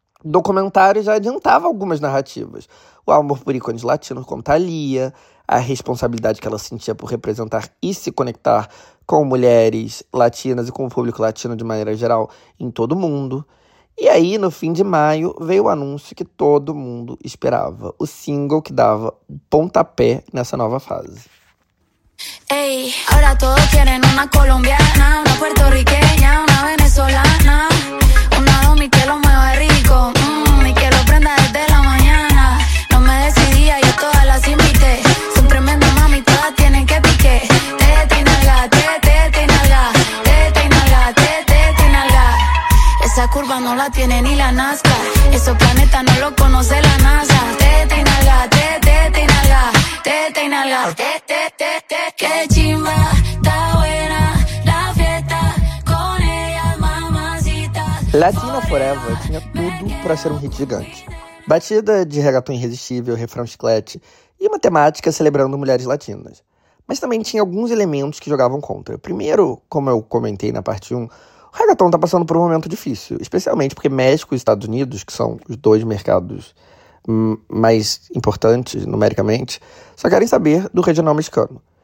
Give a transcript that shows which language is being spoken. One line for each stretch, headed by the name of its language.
Portuguese: documentário já adiantava algumas narrativas. O amor por ícones latinos como Thalia, a responsabilidade que ela sentia por representar e se conectar com mulheres latinas e com o público latino de maneira geral em todo o mundo. E aí, no fim de maio, veio o anúncio que todo mundo esperava. O single que dava pontapé nessa nova fase.
Spanish: Ei, ahora todos quieren una colombiana, una puertorriqueña, una venezolana, una domi que lo mueve rico, y que lo prenda desde la mañana. No me decidía, yo todas las invité, son tremendas mami, todas tienen que pique. Tete y nalga, tete y nalga, tete y nalga, tete y nalga. Esa curva no la tiene ni la Nazca, esos planetas no lo conoce la NASA. Tete y nalga, tete y nalga, tete y nalga, tete. Que chimba, está buena la fiesta con ellas mamacitas.
Portuguese: Latina Forever tinha tudo pra ser um hit gigante. Batida de reggaeton irresistível, refrão chiclete e uma temática celebrando mulheres latinas. Mas também tinha alguns elementos que jogavam contra. Primeiro, como eu comentei na parte 1, o reggaeton tá passando por um momento difícil, especialmente porque México e Estados Unidos, que são os dois mercados mais importantes numericamente, só querem saber do regional mexicano.